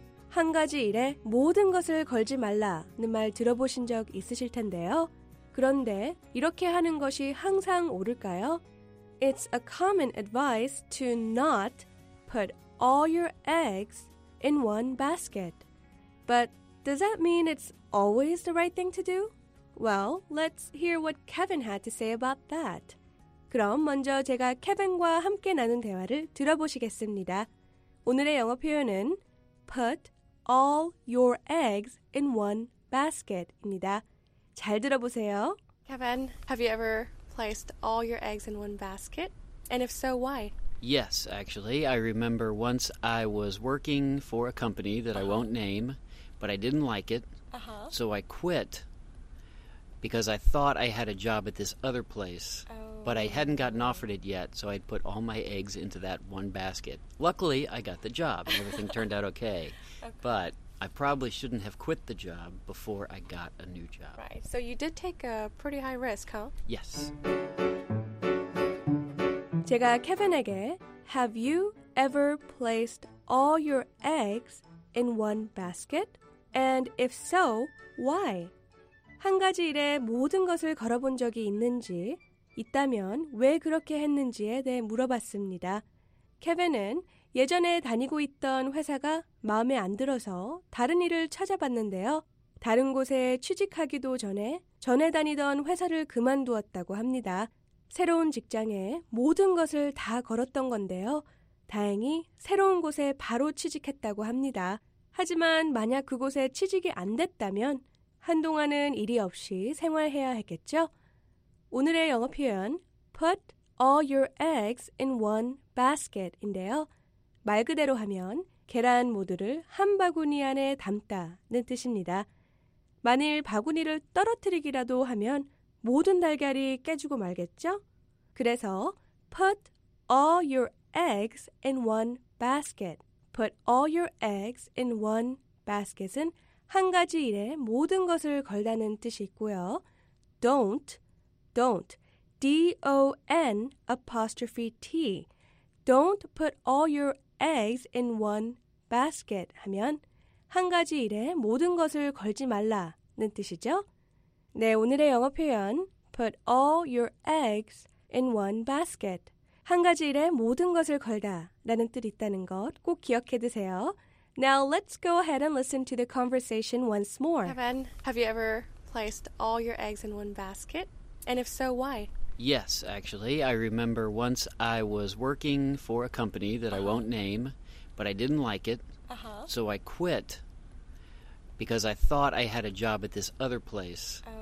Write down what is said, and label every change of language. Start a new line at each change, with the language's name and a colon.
Korean: 한 가지 일에 모든 것을 걸지 말라는 말 들어보신 적 있으실 텐데요. 그런데 이렇게 하는 것이 항상 옳을까요?
English: It's a common advice to not put all your eggs in one basket. But does that mean it's always the right thing to do? Well, let's hear what Kevin had to say about that.
Korean: 그럼 먼저 제가 케빈과 함께 나눈 대화를 들어보시겠습니다. 오늘의 영어 표현은
English: put all your eggs in one basket입니다.
Korean: 잘 들어보세요.
English: Kevin, have you ever placed all your eggs in one basket? And if so, why? Yes, actually. I remember once I was working for a company that I won't name, but I didn't like it, so I quit because I thought I had a job at this other place, but I hadn't gotten offered it yet, so I'd put all my eggs into that one basket. Luckily, I got the job, and everything turned out okay. But I probably shouldn't have quit the job before I got a new job. Right, so you did take a pretty high risk, huh? Yes.
Korean: 제가 케빈에게,
English: Have you ever placed all your eggs in one basket? And if so, why?
Korean: 한 가지 일에 모든 것을 걸어본 적이 있는지, 있다면 왜 그렇게 했는지에 대해 물어봤습니다. 케빈은 예전에 다니고 있던 회사가 마음에 안 들어서 다른 일을 찾아봤는데요. 다른 곳에 취직하기도 전에 다니던 회사를 그만두었다고 합니다. 새로운 직장에 모든 것을 다 걸었던 건데요. 다행히 새로운 곳에 바로 취직했다고 합니다. 하지만 만약 그곳에 취직이 안 됐다면 한동안은 일이 없이 생활해야 했겠죠? 오늘의 영어 표현,
English: put all your eggs in one basket인데요.
Korean: 말 그대로 하면 계란 모두를 한 바구니 안에 담다는 뜻입니다. 만일 바구니를 떨어뜨리기라도 하면 모든 달걀이 깨지고 말겠죠? 그래서
English: put all your eggs in one basket. Put all your eggs in one basket은
Korean: 한 가지 일에 모든 것을 걸다는 뜻이 있고요.
English: Don't, D-O-N apostrophe T. Don't put all your eggs in one basket
Korean: 하면 한 가지 일에 모든 것을 걸지 말라는 뜻이죠. 네, 오늘의 영어 표현
English: put all your eggs in one basket.
Korean: 한 가지 일에 모든 것을 걸다 라는 뜻이 있다는 것 꼭 기억해 두세요.
English: Now let's go ahead and listen to the conversation once more. Kevin, have you ever placed all your eggs in one basket? And if so, why? Yes, actually. I remember once I was working for a company that I won't name, but I didn't like it. So I quit because I thought I had a job at this other place.